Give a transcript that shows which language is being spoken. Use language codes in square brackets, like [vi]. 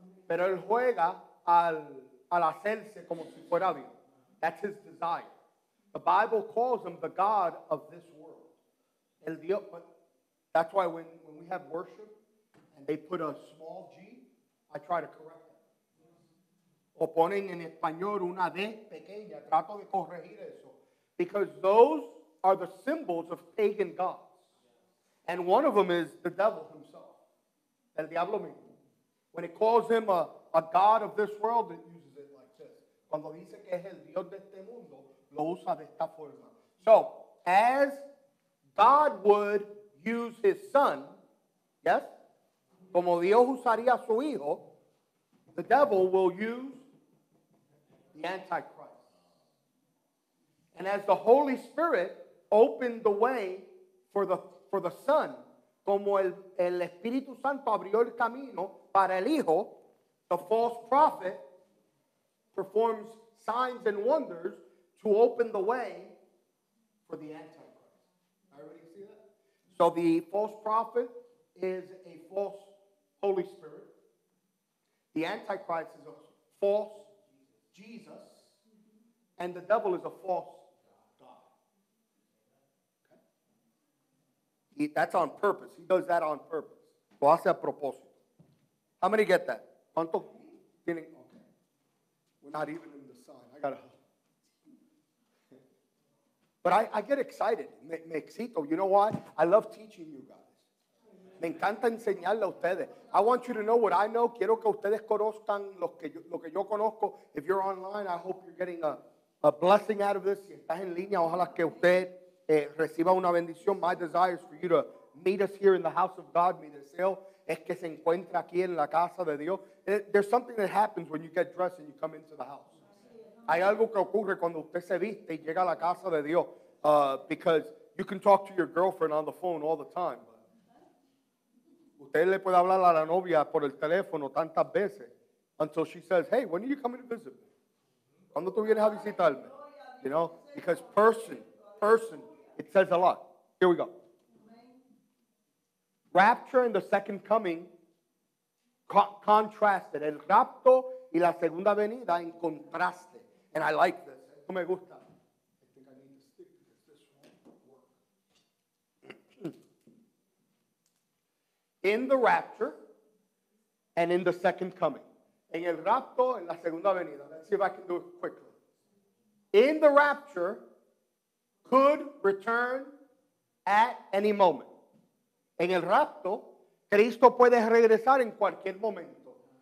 [es] Pero él juega al hacerse como si fuera Dios. [en] That's his desire. The Bible calls him the God of this world. [es] El Dios. [en] But that's why when we have worship, they put a small g, I try to correct it. [es] O ponen en español una d pequeña, trato de corregir eso. [en] Because those are the symbols of pagan gods. And one of them is the devil himself. [es] El diablo mismo. [en] When it calls him a god of this world, it uses it like this. [es] Cuando dice que es el dios de este mundo, lo usa de esta forma. [en] So, as God would use his son, yes? [es] Como Dios usaría a su hijo, [en] the devil will use the Antichrist. And as the Holy Spirit opened the way for the Son, [es] como el Espíritu Santo abrió el camino para el hijo, [en] the false prophet performs signs and wonders to open the way for the Antichrist. I already see that. So the false prophet is a false Holy Spirit. The Antichrist is a false Jesus. And the devil is a false God. Okay. That's on purpose. He does that on purpose. [es] Lo hace a propósito. [en] How many get that? [es] ¿Cuánto? [en] Okay. We're not even in the sign. I got to. But I get excited. [es] Me excito. [en] You know why? I love teaching you guys. [es] Me encanta enseñarle a ustedes. [en] I want you to know what I know. [es] Quiero que ustedes conozcan lo que yo conozco. [en] If you're online, I hope you're getting a blessing out of this. [es] Si estás en línea, ojalá que usted reciba una bendición. [en] My desire is for you to meet us here in the house of God. [es] Mi deseo es que se encuentre aquí en la casa de Dios. [en] There's something that happens when you get dressed and you come into the house. [es] Hay algo que ocurre cuando usted se viste y llega a la casa de Dios. [en] Because you can talk to your girlfriend on the phone all the time. [es] Usted le puede hablar a la novia por el teléfono tantas veces [en] until she says, hey, when are you coming to visit me? [es] ¿Cuándo tú vienes a visitarme? [en] You know, because person, it says a lot. Here we go. Rapture and the second coming contrasted. [es] El rapto y la segunda venida en contraste. [en] And I like this. [es] No me gusta. [en] I think I need to stick this one. in the rapture, and in the second coming. [es] En el rapto, en la segunda venida. [en] Let's see if I can do it quickly. In the rapture, could return at any moment. [es] En el rapto, Cristo puede regresar en cualquier momento.